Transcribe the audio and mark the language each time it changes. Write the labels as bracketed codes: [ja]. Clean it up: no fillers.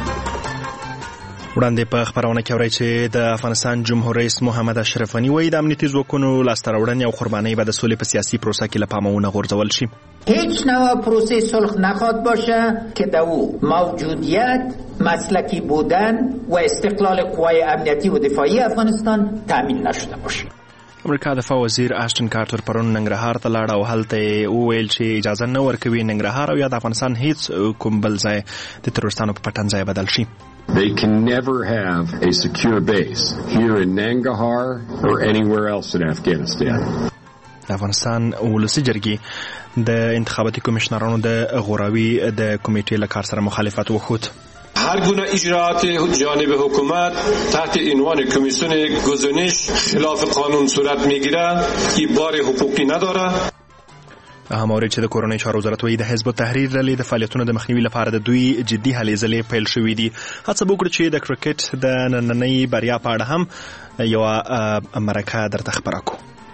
[ps] وړاندې په خبرونه کې اورئ چې د افغانستان جمهور رئیس محمد اشرف غنی وایي د امنیتي ځواکونو لاسته راوړنې او قربانۍ به د سولې په سیاسي پروسه کې له پامه ونه غورځول شي. [fa] هیچ نوع پروسه صلح نخواهد باشه که در او موجودیت، مسلکی بودن و استقلال قوای امنیتی و دفاعی افغانستان تامین نشده باشه. [ps] امریکا دفاع وزیر آشتن کارتر پرون ننګرهار ته لاړه او هلته یې وویل چې اجازه نه ورکوي ننګرهار او یا د افغانستان هیڅ کوم بل ځای د تروریستانو په پټن ځای بدل شي. [en] They can never have a secure base here in Nangarhar or anywhere else in Afghanistan. [ps] افغانستان ولسی جرګی د انتخاباتي کمشنرانو د غوراوی د کمیټې له کار سره مخالفت وکړ. [fa] هر گونه اجراءات جانب حکومت تحت عنوان کمیسیون گزینش خلاف قانون صورت میگیره که بار حقوقی نداره. [ps] هماره چې د کورونې چارو وزارت وایي د حزب تحریر لري د فعالیتونو د مخنیوي لپاره د دوی جدي هلې ځلې پیل شوې دي. هڅه وکړه چې د کرکټ د نننۍ بریا په اړه هم یو مرکه درته خبره کړو.